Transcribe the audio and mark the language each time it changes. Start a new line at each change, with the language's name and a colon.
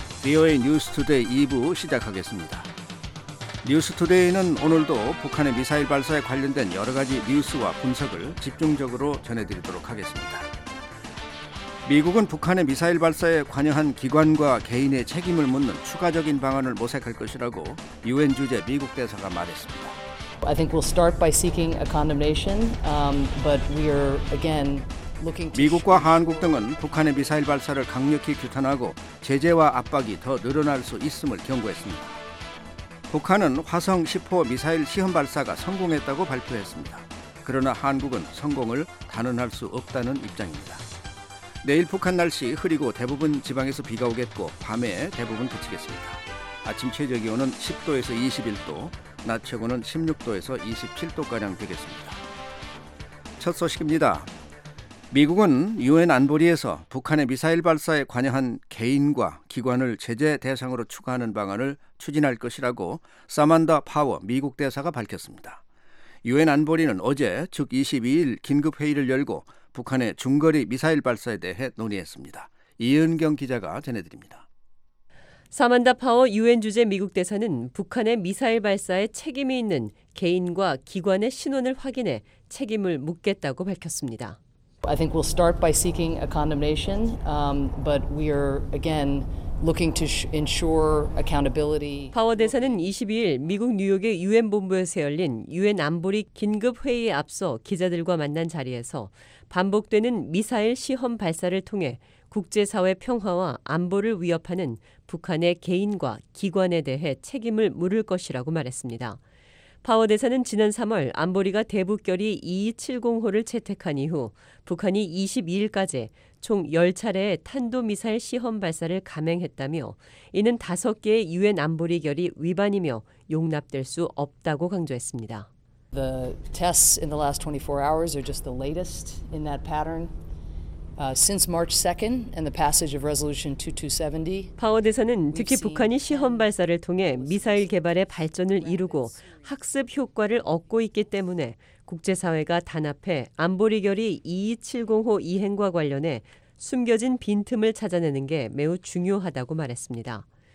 Korean: VOA 뉴스 투데이 2부 시작하겠습니다. 뉴스 투데이는 오늘도 북한의 미사일 발사에 관련된 여러 가지 뉴스와 분석을 집중적으로 전해드리도록 하겠습니다. 미국은 북한의 미사일 발사에 관여한 기관과 개인의 책임을 묻는 추가적인 방안을 모색할 것이라고 유엔 주재 미국 대사가 말했습니다.
English: I think we'll start by seeking a condemnation, but we are again looking to
Korean: 미국과 한국 등은 북한의 미사일 발사를 강력히 규탄하고 제재와 압박이 더 늘어날 수 있음을 경고했습니다. 북한은 화성 10호 미사일 시험 발사가 성공했다고 발표했습니다. 그러나 한국은 성공을 단언할 수 없다는 입장입니다. 내일 북한 날씨 흐리고 대부분 지방에서 비가 오겠고 밤에 대부분 그치겠습니다. 아침 최저 기온은 10도에서 21도, 낮 최고는 16도에서 27도가량 되겠습니다. 첫 소식입니다. 미국은 유엔 안보리에서 북한의 미사일 발사에 관여한 개인과 기관을 제재 대상으로 추가하는 방안을 추진할 것이라고 사만다 파워 미국 대사가 밝혔습니다. 유엔 안보리는 어제 즉 22일 긴급회의를 열고 북한의 중거리 미사일 발사에 대해 논의했습니다. 이은경 기자가 전해드립니다. 사만다 파워 유엔 주재 미국 대사는 북한의 미사일 발사에 책임이 있는 개인과 기관의 신원을 확인해 책임을 묻겠다고 밝혔습니다.
English: I think we'll start by seeking a condemnation, but we are again looking to ensure accountability.
Korean: 파워 대사는 22일 미국 뉴욕의 유엔 본부에서 열린 유엔 안보리 긴급 회의에 앞서 기자들과 만난 자리에서 반복되는 미사일 시험 발사를 통해 국제사회 평화와 안보를 위협하는 북한의 개인과 기관에 대해 책임을 물을 것이라고 말했습니다. 파워 대사는 지난 3월 안보리가 대북결의 2270호를 채택한 이후 북한이 22일까지 총 10차례의 탄도미사일 시험 발사를 감행했다며 이는 5개의 유엔 안보리 결의 위반이며 용납될 수 없다고 강조했습니다.
English: The tests in the last 24 hours are just the latest in that pattern. Since March 2nd and the passage of Resolution 2270,
Korean: 파워 대사는 특히 북한이 시험 발사를 통해 미사일 개발의 발전을 이루고 학습 효과를 얻고 있기 때문에 국제사회가 단합해 안보리 결의 2270호 이행과 관련해 숨겨진 빈틈을 찾아내는 게 매우 중요하다고 말했습니다.